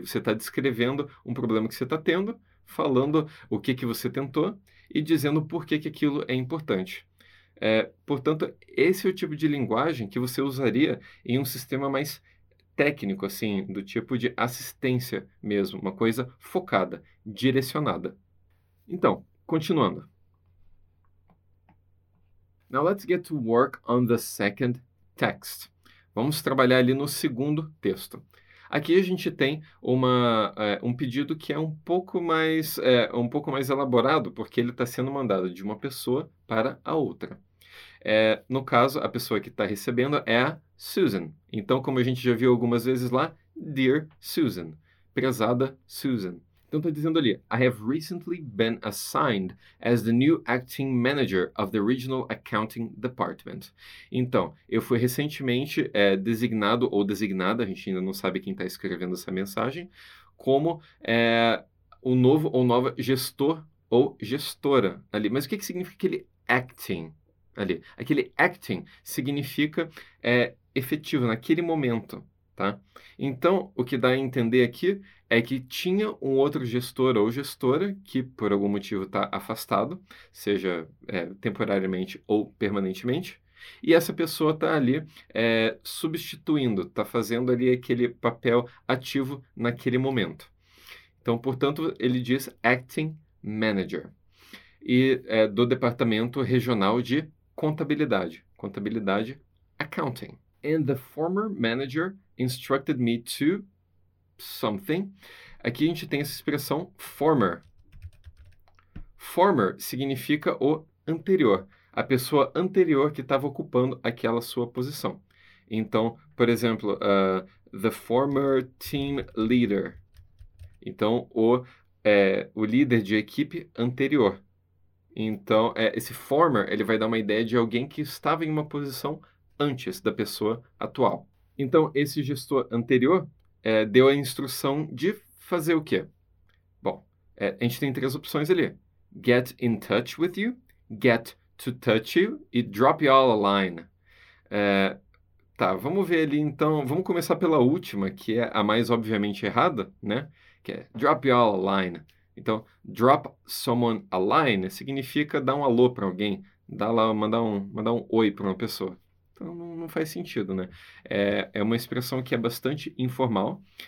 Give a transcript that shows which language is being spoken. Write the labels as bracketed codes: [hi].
[pt] Você está descrevendo um problema que você está tendo, falando o que que você tentou e dizendo por que que aquilo é importante. Portanto, esse é o tipo de linguagem que você usaria em um sistema mais técnico, assim, do tipo de assistência mesmo, uma coisa focada, direcionada. Então, continuando. [en] Now let's get to work on the second text. [pt] Vamos trabalhar ali no segundo texto. Aqui a gente tem um pedido que é um pouco mais elaborado, porque ele está sendo mandado de uma pessoa para a outra. No caso, a pessoa que está recebendo é a Susan. Então, como a gente já viu algumas vezes lá, Dear Susan, prezada Susan. Então, está dizendo ali, [en] I have recently been assigned as the new acting manager of the regional accounting department. [pt] Então, eu fui recentemente designado ou designada, a gente ainda não sabe quem está escrevendo essa mensagem, como o novo ou nova gestor ou gestora ali. Mas o que que significa aquele acting? Ali. Aquele acting significa efetivo, naquele momento, tá? Então, o que dá a entender aqui é que tinha um outro gestor ou gestora que, por algum motivo, está afastado, seja temporariamente ou permanentemente, e essa pessoa está ali substituindo, está fazendo ali aquele papel ativo naquele momento. Então, portanto, ele diz acting manager e do departamento regional de contabilidade, contabilidade, accounting. [en] And the former manager instructed me to something. [pt] Aqui a gente tem essa expressão former. Former significa o anterior, a pessoa anterior que estava ocupando aquela sua posição. Então, por exemplo, [en] the former team leader. [pt] Então, o líder de equipe anterior. Então, esse former, ele vai dar uma ideia de alguém que estava em uma posição antes da pessoa atual. Então, esse gestor anterior deu a instrução de fazer o quê? Bom, a gente tem três opções ali. [en] Get in touch with you, get to touch you [pt] e [en] drop you all a line. [pt] Tá, vamos ver ali então. Vamos começar pela última, que é a mais obviamente errada, né? Que é [en] drop you all a line. [pt] Então, [en] drop someone a line [pt] significa dar um alô para alguém, dar lá, mandar um oi para uma pessoa. Então, não faz sentido, né? É uma expressão que é bastante informal.